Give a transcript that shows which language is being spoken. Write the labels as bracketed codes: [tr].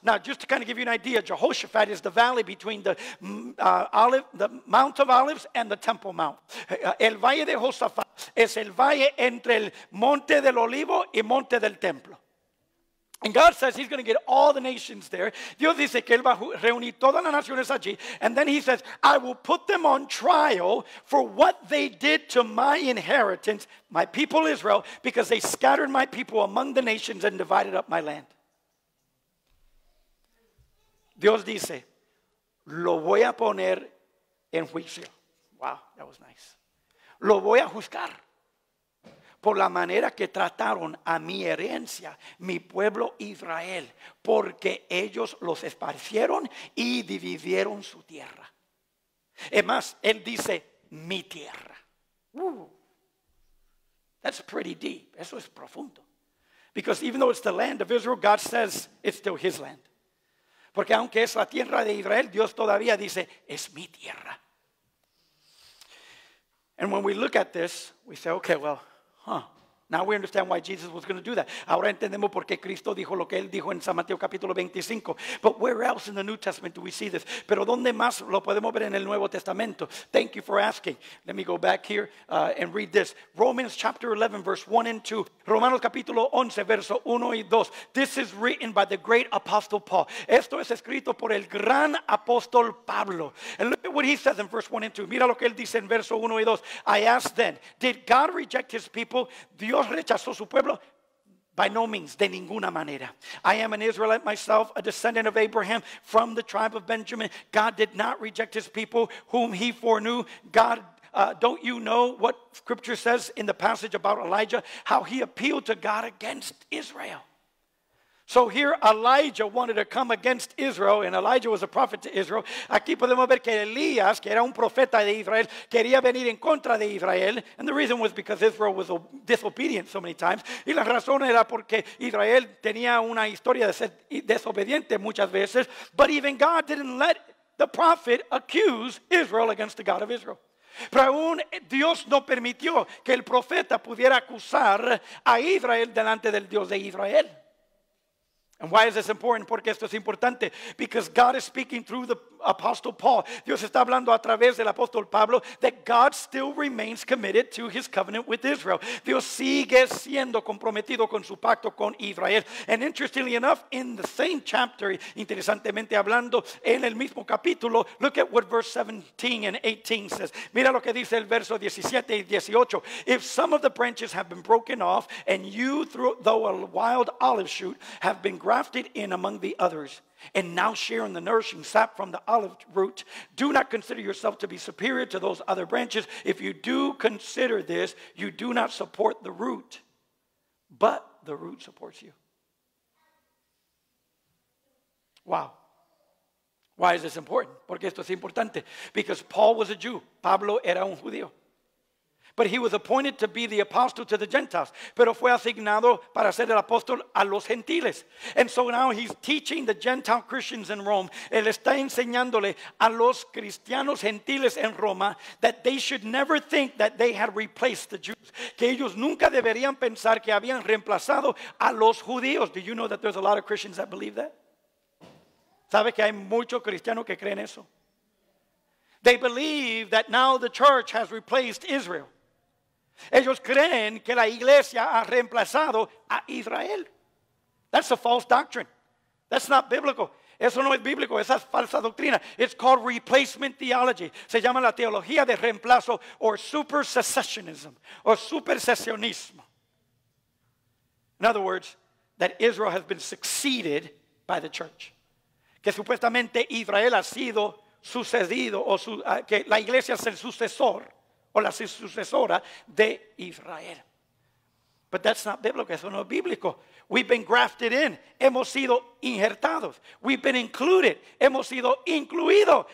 [en] Now, just to kind of give you an idea, Jehoshaphat is the valley between the Mount of Olives and the Temple Mount. [es] El valle de Jehoshaphat es el valle entre el Monte del Olivo y Monte del Templo. [en] And God says he's going to get all the nations there. [es] Dios dice que él va a reunir todas las naciones allí. [en] And then he says, I will put them on trial for what they did to my inheritance, my people Israel, because they scattered my people among the nations and divided up my land. [es] Dios dice, lo voy a poner en juicio. [en] Wow, that was nice. [es] Lo voy a juzgar por la manera que trataron a mi herencia, mi pueblo Israel, porque ellos los esparcieron y dividieron su tierra. Es más, él dice, mi tierra. [en] That's pretty deep. [es] Eso es profundo. [en] Because even though it's the land of Israel, God says it's still his land. [es] Porque aunque es la tierra de Israel, Dios todavía dice, es mi tierra. [en] And when we look at this, we say, okay, well, now we understand why Jesus was going to do that. [es] Ahora entendemos por qué Cristo dijo lo que él dijo en San Mateo capítulo 25. [en] But where else in the New Testament do we see this? [es] Pero ¿dónde más lo podemos ver en el Nuevo Testamento? [en] Thank you for asking. Let me go back here and read this. Romans chapter 11 verse 1 and 2. [es] Romanos capítulo 11 verso 1 y 2. [en] This is written by the great apostle Paul. [es] Esto es escrito por el gran apóstol Pablo. [en] And look at what he says in verse 1 and 2. [es] Mira lo que él dice en verso 1 y 2. [en] I ask then, did God reject his people? [es] ¿Dios rechazó su pueblo? [en] By no means, [es] de ninguna manera. [en] I am an Israelite myself, a descendant of Abraham from the tribe of Benjamin. God did not reject his people whom he foreknew. God, don't you know what scripture says in the passage about Elijah? How he appealed to God against Israel. So here Elijah wanted to come against Israel, and Elijah was a prophet to Israel. [es] Aquí podemos ver que Elías, que era un profeta de Israel, quería venir en contra de Israel. [en] And the reason was because Israel was disobedient so many times. [es] Y la razón era porque Israel tenía una historia de ser desobediente muchas veces. [en] But even God didn't let the prophet accuse Israel against the God of Israel. [es] Pero aún Dios no permitió que el profeta pudiera acusar a Israel delante del Dios de Israel. [en] And why is this important? [es] Porque esto es importante. [en] Because God is speaking through the Apostle Paul. [es] Dios está hablando a través del apóstol Pablo, [en] that God still remains committed to his covenant with Israel. [es] Dios sigue siendo comprometido con su pacto con Israel. [en] And interestingly enough, in the same chapter, [es] interesantemente hablando, en el mismo capítulo, [en] look at what verse 17 and 18 says. [es] Mira lo que dice el verso 17 y 18. [en] If some of the branches have been broken off, and you, though a wild olive shoot, have been grafted in among the others, and now share in the nourishing sap from the olive root, do not consider yourself to be superior to those other branches. If you do consider this, you do not support the root, but the root supports you. Wow. Why is this important? [es] Porque esto es importante. [en] Because Paul was a Jew. [es] Pablo era un judío. [en] But he was appointed to be the apostle to the Gentiles. [es] Pero fue asignado para ser el apóstol a los gentiles. [en] And so now he's teaching the Gentile Christians in Rome. [es] Él está enseñándole a los cristianos gentiles en Roma [en] that they should never think that they had replaced the Jews. [es] Que ellos nunca deberían pensar que habían reemplazado a los judíos. [en] Do you know that there's a lot of Christians that believe that? [es] ¿Sabe que hay muchos cristianos que creen eso? [en] They believe that now the church has replaced Israel. [es] Ellos creen que la iglesia ha reemplazado a Israel. [en] That's a false doctrine. That's not biblical. [es] Eso no es bíblico, esa es falsa doctrina. [en] It's called replacement theology. [es] Se llama la teología de reemplazo, [en] or supersessionism, [es] or supersessionismo. [en] In other words, that Israel has been succeeded by the church. [es] Que supuestamente Israel ha sido sucedido, o que la iglesia es el sucesor o la sucesora de Israel. [en] But that's not biblical. [es] Eso no es bíblico. [en] We've been grafted in. [es] Hemos sido injertados. [en] We've been included. [es] Hemos sido incluido.